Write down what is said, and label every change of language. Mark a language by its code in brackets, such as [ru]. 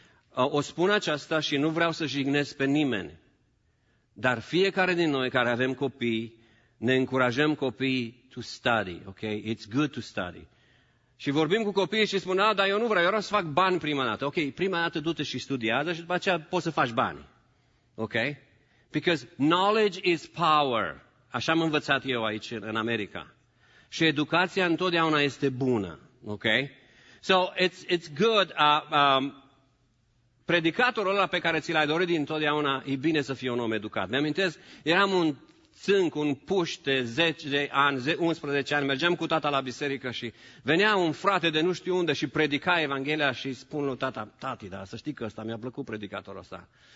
[ro] O spun aceasta și nu vreau să jignesc pe nimeni, dar fiecare din noi care avem copii, ne încurajăm copiii [en] to study, [ro] ok? [en] It's good to study. [ro] Și vorbim cu copiii și spun, dar eu nu vreau, eu vreau să fac bani prima dată. Ok, prima dată du-te și studiază și după aceea poți să faci bani. Ok? [en] Because knowledge is power. [ro] Așa am învățat eu aici în America. Și educația întotdeauna este bună. Ok? [en] So, it's good. [ro] Predicatorul ăla pe care ți l-ai dorit întotdeauna, e bine să fie un om educat. Mi-amintesc, eram un țânc, un puște, 11 ani, mergeam cu tata la biserică și venea un frate de nu știu unde și predica Evanghelia și spun lui tata, tati, dar să știi că ăsta mi-a plăcut predicatorul ăsta.